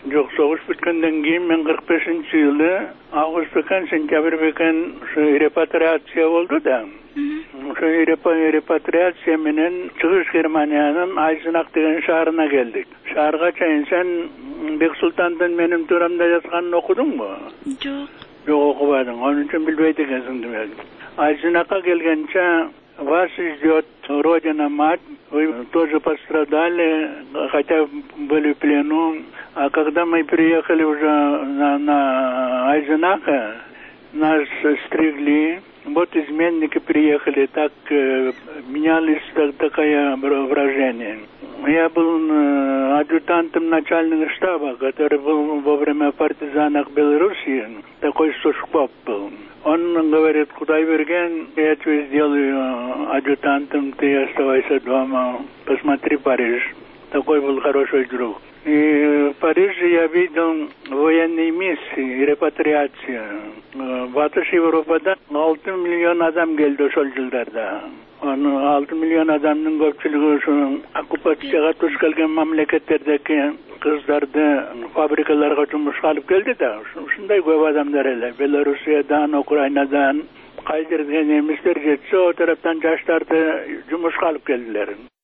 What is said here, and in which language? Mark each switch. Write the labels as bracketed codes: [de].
[ky] Жок, согуш бүткөндөн кийин мен 45 жылы август бекен, сентябрь бекен ушу репатриация болду да. Ушу репатриация менен Чыгыш Германиянын Айзенах деген шаарына келдик. Шаарга чейин сен Бек Султандын менин турамда жазганын окудуңбу? Жок. Жок, окубадың. Анын үчүн билбейт экенсиң демек. Айзенахка келгенче [ru] вас ждет родина мать, вы тоже пострадали, хотя были в плену. А когда мы приехали уже на Айзенаха, нас стригли. Вот изменники приехали, так менялись такое выражение. Я был адъютантом начальника штаба, который был во время партизанов Белоруссии, такой Сушков был. Он говорит, Кудайберген, я тебе сделаю адъютантом, ты оставайся дома, посмотри Париж. Такой был хороший друг. И в Париже я видел военные миссии, репатриацию. [ky] Ватыш Европада 6 миллион адам келди ошол жылдарда. Анын 6 миллион адамдын көпчүлүгү ушул оккупацияга туш келген мамлекеттердеги кыздарды фабрикаларга жумушка алып келди да. Ушундай көп адамдар эле. Белоруссиядан, Украинадан, кай жерден немистер жетсе, ошол тараптан жаштарды жумушка алып келдилер.